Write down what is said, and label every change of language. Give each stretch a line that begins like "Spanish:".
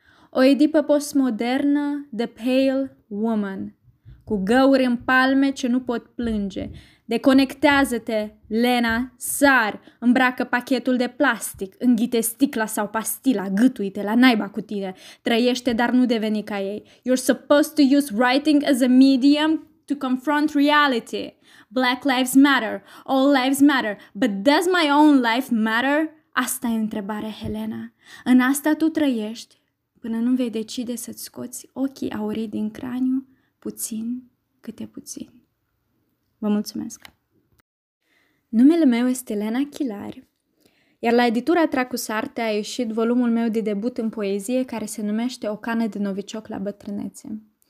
Romanian: O Edipă postmodernă,
English: the pale woman,
Romanian: cu găuri în palme ce nu pot plânge. Deconectează-te, Lena, sar, îmbracă pachetul de plastic, înghite sticla sau pastila, gâtuite la naiba cu tine, trăiește, dar nu deveni ca ei.
English: You're supposed to use writing as a medium to confront reality. Black lives matter, all lives matter, but does my own life matter?
Romanian: Asta e întrebarea, Helena. În asta tu trăiești până nu vei decide să-ți scoți ochii aurii din craniu, puțin câte puțin. Vă mulțumesc! Numele meu este Lena Chilari, iar la editura Tracus Arte a ieșit volumul meu de debut în poezie care se numește O cană de novicioc la bătrânețe.